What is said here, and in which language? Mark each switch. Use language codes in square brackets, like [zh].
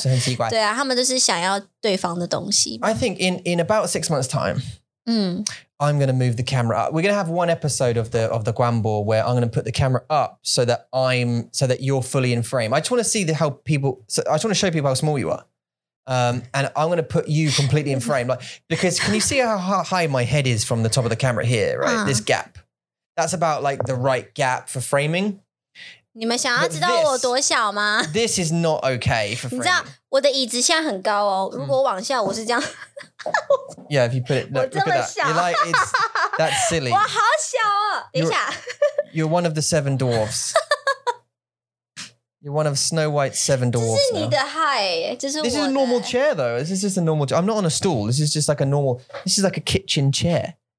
[zh] 是很奇怪。对啊，他们都是想要对方的东西。I [en] think in about 6 months' time. I'm going to move the camera up. We're going to have one episode of the Guambo where I'm going to put the camera up so that you're fully in frame. I just want to see I just want to show people how small you are. And I'm going to put you completely in frame. Like, because can you see how high my head is from the top of the camera here, right? This gap. That's about like the right gap for framing. [zh] 你们想要知道我多小吗? [en] This is not okay for framing. [zh] 你知道我的椅子现在很高哦,如果往下我是这样... [en] Yeah, if you put it, look at that. You're like, that's silly. [zh] 我好小哦,等一下。 [en] You're one of the seven dwarfs. You're one of Snow White's seven dwarfs. [zh] 这是你的height,这是我的... [en] This is a normal chair though. This is just a normal chair. I'm not on a stool. This is just like a normal, this is like a kitchen chair.